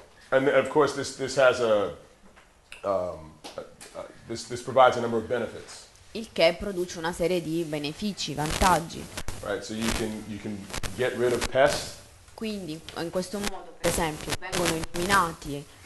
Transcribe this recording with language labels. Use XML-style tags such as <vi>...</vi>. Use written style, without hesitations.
<en>And of course this has this provides a number of benefits.</en> <it>Il che produce una serie di benefici, vantaggi.</it> <en>Right, so you can get rid of pests.</en> <it>Quindi in questo modo, per esempio, vengono eliminati.</it>